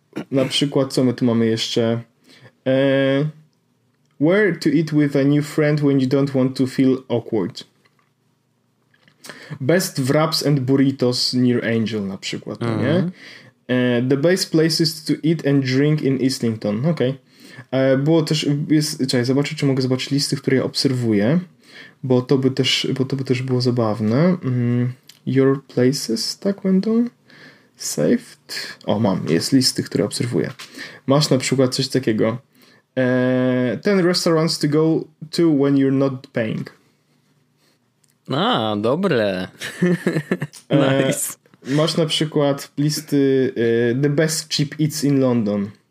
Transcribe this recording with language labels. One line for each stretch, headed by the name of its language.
Polish: Na przykład, co my tu mamy jeszcze?
English: Where to eat with a new friend when you don't want to feel awkward. Best wraps and burritos near Angel,
Polish: na przykład.
English: Uh-huh. Nie? The best places to eat and drink in Islington.
Polish: Okay. Było też. Czekaj, zobaczę, czy mogę zobaczyć listy, które ja obserwuję. Bo to by też było zabawne.
English: Your places,
Polish: tak będą.
English: Saved.
Polish: O, mam, jest listy, które obserwuję. Masz na przykład coś takiego.
English: 10 restaurants to go to when you're not paying.
Polish: A, dobre.
English: Nice.
Polish: Masz na przykład listy
English: the best cheap eats in London.